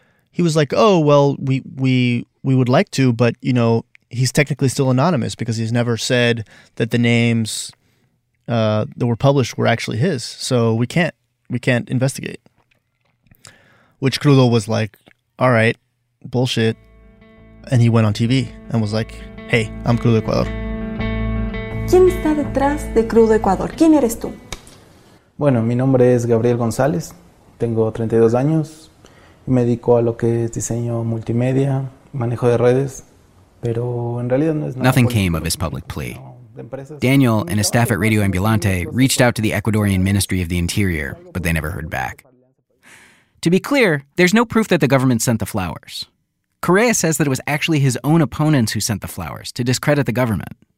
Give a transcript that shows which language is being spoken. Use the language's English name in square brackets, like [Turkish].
[English] He was like, oh, well, we would like to, but, you know, he's technically still anonymous because he's never said that the names that were published were actually his. So we can't investigate. Which Crudo was like, all right, bullshit. And he went on TV and was like, hey, I'm Crudo Ecuador. [Spanish] ¿Quién está detrás de Crudo Ecuador? ¿Quién eres tú? Bueno, mi nombre es Gabriel González. Tengo 32 años. Me dedico a lo que es diseño multimedia, manejo de redes. [English] Nothing came of his public plea. Daniel and his staff at Radio Ambulante reached out to the Ecuadorian Ministry of the Interior, but they never heard back. To be clear, there's no proof that the government sent the flowers. Correa says that it was actually his own opponents who sent the flowers to discredit the government.